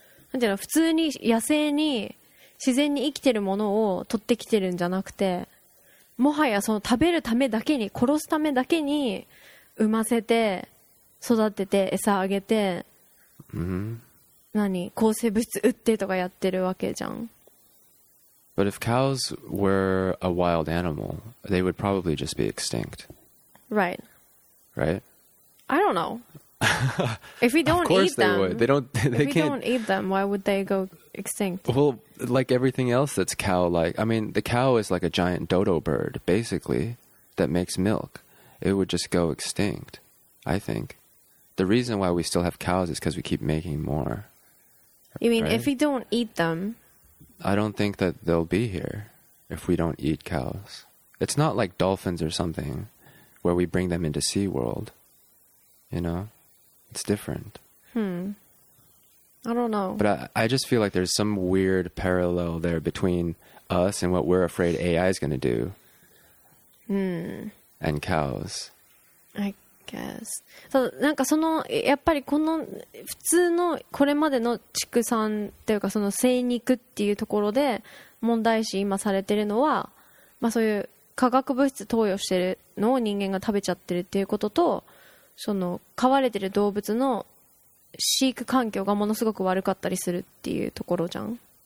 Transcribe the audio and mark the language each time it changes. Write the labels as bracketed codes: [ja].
[ja] なんていうの、普通に野生に自然に生きてるものを取ってきてるんじゃなくて、もはやその食べるためだけに、殺すためだけに産ませて育てて餌あげて、何抗生物質打ってとかやってるわけじゃん。 [en] But if cows were a wild animal, they would probably just be extinct. Right. Right? I don't know. If we don't eat them, would. They don't. They if can't, we don't eat them, why would they go extinct? Well, like everything else that's cow-like. I mean, the cow is like a giant dodo bird, basically, that makes milk. It would just go extinct, I think. The reason why we still have cows is because we keep making more. You mean, right? If we don't eat them? I don't think that they'll be here if we don't eat cows. It's not like dolphins or something where we bring them into SeaWorld, you know? It's different. I don't know. But I just feel like there's some weird parallel there between us and what we're afraid AI is going to do. And cows. I guess. [ja] So, なんかその、やっぱりこの普通のこれまでの畜産というかその生肉っていうところで問題視今されてるのは、まあそういう化学物質投与してるのを人間が食べちゃってるっていうことと、その飼われてる動物の飼育環境がものすごく悪かったりするっていうところじゃん、